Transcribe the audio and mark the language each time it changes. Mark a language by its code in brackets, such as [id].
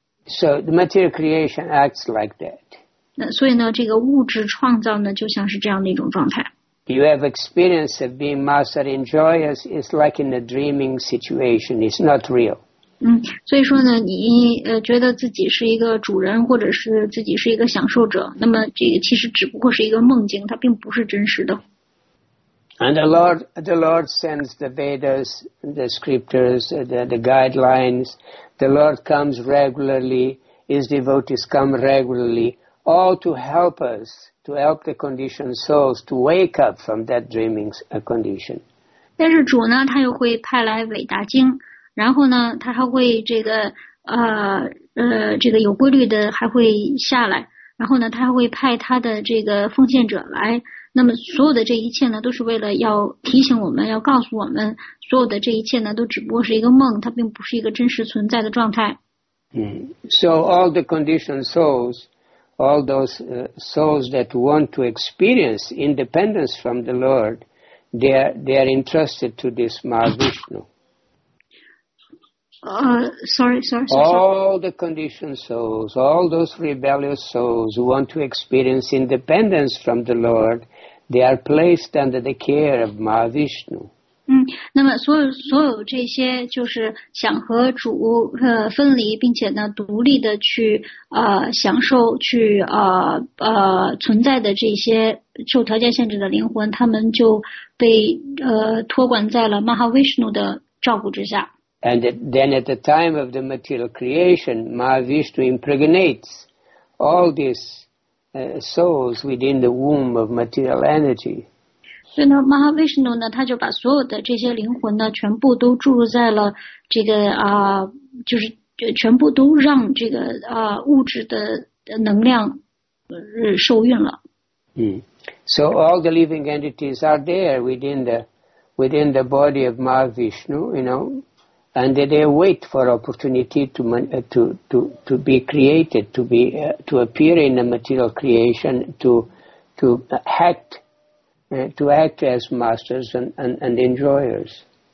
[en] So the material creation acts like that. [zh] 那所以呢，这个物质创造呢，就像是这样的一种状态。 [en] You have experience of being master and joyous. It's like in a dreaming situation. It's not real. [zh] 所以说呢，你觉得自己是一个主人，或者是自己是一个享受者，那么这个其实只不过是一个梦境，它并不是真实的。 [en] And the Lord sends the Vedas, the scriptures, the guidelines. The Lord comes regularly. His devotees come regularly, all to help us, to help the conditioned souls to wake up from that dreaming condition. [zh] 但是主呢，他又会派来伟大经，然后呢，他还会这个有规律的还会下来，然后呢，他还会派他的这个奉献者来。那么所有的这一切呢，都是为了要提醒我们，要告诉我们，所有的这一切呢，都只不过是一个梦，它并不是一个真实存在的状态。 [en] So all the conditioned souls, all those souls that want to experience independence from the Lord, they are entrusted to this Mahavishnu. Sorry. All the conditioned souls, all those rebellious souls who want to experience independence from the Lord, they are placed under the care of Mahavishnu. [zh] 那么所有这些就是想和主分离，并且呢独立的去享受去存在的这些受条件限制的灵魂，他们就被托管在了 Mahavishnu 的照顾之下。 [en] And then at the time of the material creation, Mahavishnu impregnates all these souls within the womb of material energy. [zh] 所以呢 ，Mahavishnu 呢，他就把所有的这些灵魂呢，全部都注入在了这个就是全部都让这个物质的能量受孕了。 [en] So all the living entities are there within the body of Mahavishnu, you know. And they wait for opportunity to be created, to appear in the material creation, to act as masters and enjoyers.